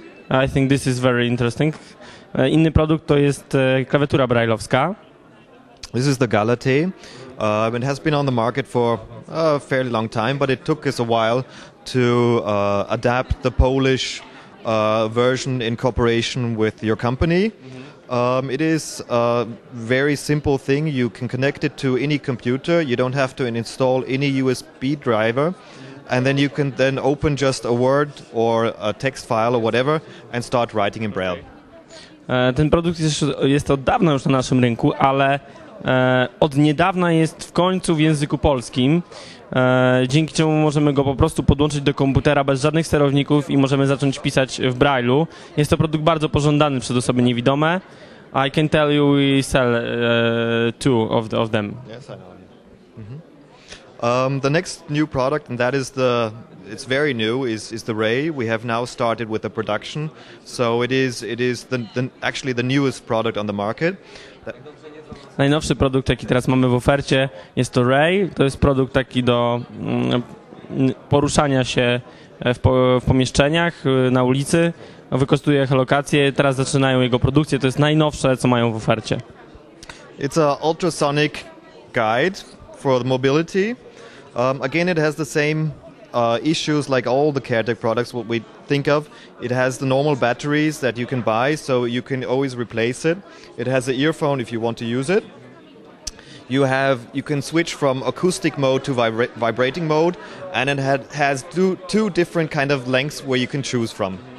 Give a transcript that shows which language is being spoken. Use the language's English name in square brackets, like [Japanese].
[English] I think this is very interesting. [Polish] Inny produkt to jest klawiatura brajlowska. [English] This is the Galatea. It has been on the market for a fairly long time, but it took us a while to adapt the Polish version in cooperation with your company. It is a very simple thing. You can connect it to any computer. You don't have to install any USB driver. And then you can then open just a Word or a text file or whatever and start writing in braille. [Polish] Ten produkt jest od dawna już na naszym rynku, ale od niedawna jest w końcu w języku polskim, dzięki czemu możemy go po prostu podłączyć do komputera bez żadnych sterowników i możemy zacząć pisać w Braille'u. Jest to produkt bardzo pożądany przez osoby niewidome. [English] I can tell you we sell two of them. Yes, I know. Mm-hmm. The next new product, and that is it's very new, is the Ray. We have now started with the production, so it is actually the newest product on the market. [Polish] Najnowszy produkt, jaki teraz mamy w ofercie, jest to Ray. To jest produkt taki do poruszania się w pomieszczeniach, na ulicy. Wykorzystuje echolokację. Teraz zaczynają jego produkcję. To jest najnowsze, co mają w ofercie. [English] It's an ultrasonic guide for the mobility. Again, it has the same issues like all the CareTech products what we think of. It has the normal batteries that you can buy, so you can always replace it. It has an earphone if you want to use it. You can switch from acoustic mode to vibrating mode, and it has two different kind of lengths where you can choose from.